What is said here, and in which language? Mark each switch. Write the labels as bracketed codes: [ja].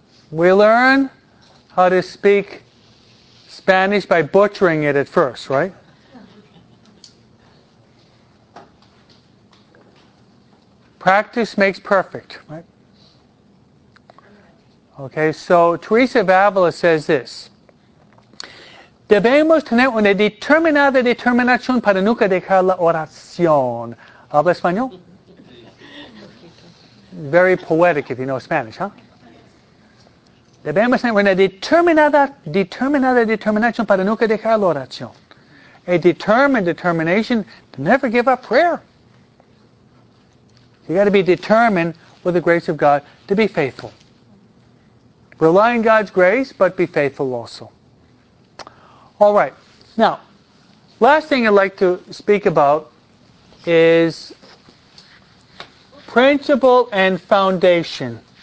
[en] We learn how to speak Spanish by butchering it at first, right? Practice makes perfect, right? Okay, so Teresa of Avila says this. [es] Debemos tener una determinada determinación para nunca dejar la oración. ¿Habla español? [en] Very poetic if you know Spanish, huh? [es] Debemos tener una determinación para nunca dejar la oración. [en] A determined determination to never give up prayer. You've got to be determined with the grace of God to be faithful. Rely on God's grace, but be faithful also. All right. Now, last thing I'd like to speak about is principle and foundation.